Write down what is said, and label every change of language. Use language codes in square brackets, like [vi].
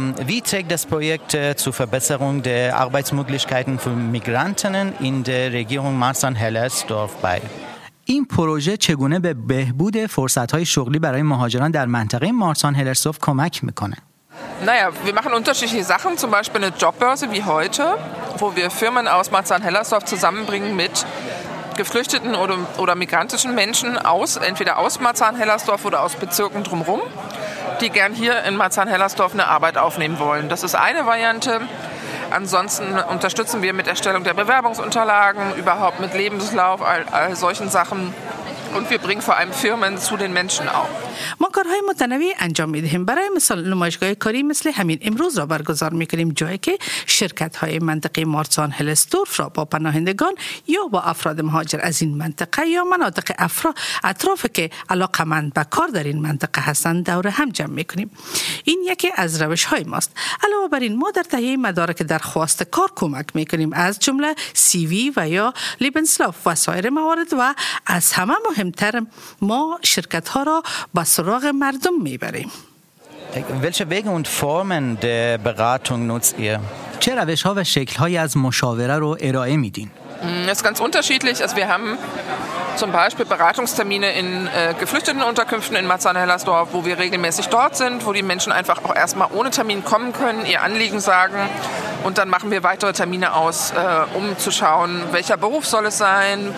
[de] Wie trägt das Projekt zur Verbesserung der Arbeitsmöglichkeiten von Migrantinnen in der Region Marzahn-Hellersdorf bei? [fa] این پروژه چگونه به بهبود فرصت‌های شغلی برای مهاجران در منطقه مارسان-هلرسدورف کمک می‌کنه؟ [de] Naja, wir machen unterschiedliche Sachen, zum Beispiel eine Jobbörse wie heute, wo wir Firmen aus Marzahn-Hellersdorf zusammenbringen mit geflüchteten oder migrantischen Menschen aus, entweder aus Marzahn-Hellersdorf oder aus Bezirken drumherum, die gern hier in Marzahn-Hellersdorf eine Arbeit aufnehmen wollen. Das ist eine Variante. Ansonsten unterstützen wir mit Erstellung der Bewerbungsunterlagen, überhaupt mit Lebenslauf, all solchen Sachen. Und wir bringen vor allem Firmen zu den Menschen auf. [fa] ما کارهای متنوعی انجام میدهیم. برای مثال نمایشگاه کاری مثل همین امروز را برگزار میکنیم جایی که شرکت های منطقه مارتسان هلستورف را با پناهندگان یا با افراد مهاجر از این منطقه یا مناطق اطراف که علاقمند به کار در این منطقه هستند دور هم جمع میکنیم. این یکی از روش های ماست. علاوه بر این ما در تهیه مدارک درخواست کار کمک میکنیم، از جمله سی وی و یا لیبنسلاف و سایر موارد، و از همه مهمتر ما شرکت ها را به سراغ مردم میبریم. [de] Welche Wege und Formen der Beratung nutzt ihr? [fa] چه روش ها و شکل های از مشاوره رو ارائه میدین؟ [de] Es ist ganz unterschiedlich. Also wir haben zum Beispiel Beratungstermine in geflüchteten Unterkünften in Marzahn-Hellersdorf, wo wir regelmäßig dort sind, wo die Menschen einfach auch erstmal ohne Termin kommen können, ihr Anliegen sagen. Und dann machen wir weitere Termine aus, um zu schauen, welcher Beruf soll es sein?